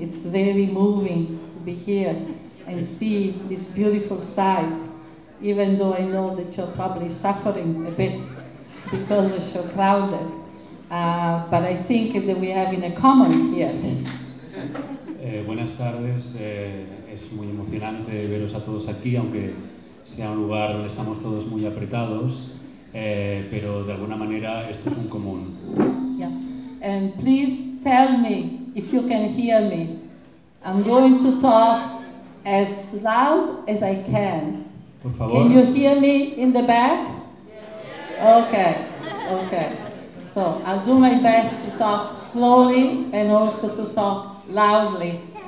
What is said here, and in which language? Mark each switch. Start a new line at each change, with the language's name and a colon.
English: It's very moving to be here and see this beautiful sight, even though I know that you're probably suffering a bit because it's so crowded. But I think that we have in a common here.
Spanish: Buenas tardes. Es muy emocionante veros a todos aquí, aunque sea un lugar donde estamos todos muy apretados, pero de alguna manera esto es un común.
English: Yeah. And please tell me if you can hear me. I'm going to talk as loud as I can.
Spanish: Por favor.
English: Can you hear me in the back? Yes. Okay. Okay. So I'll do my best to talk slowly and also to talk loudly.